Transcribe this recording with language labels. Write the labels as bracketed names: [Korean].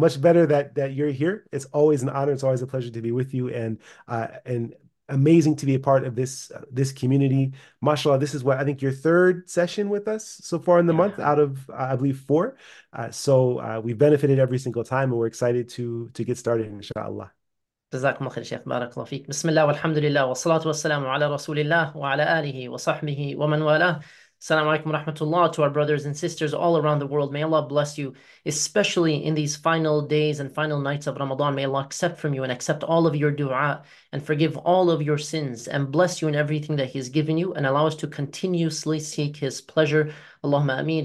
[English] Much better that you're here. It's always an honor. It's always a pleasure to be with you, and amazing to be a part of this community. Mashallah, this is what I think your third session with us so far in the month out of, I believe, four. So we've benefited every single time, and we're excited to get started, inshallah. [Arabic] جزاكم الله خير شيخ بارك الله فيك. بسم الله والحمد لله والصلاة والسلام على رسول الله وعلى آله وصحبه ومن والاه. [English] Assalamu alaikum wa rahmatullah to our brothers and sisters all around the world. May Allah bless you, especially in these final days and final nights of Ramadan. May Allah accept from you and accept all of your dua and forgive all of your sins and bless you in everything that He's given you and allow us to continuously seek His pleasure. Allahumma ameen.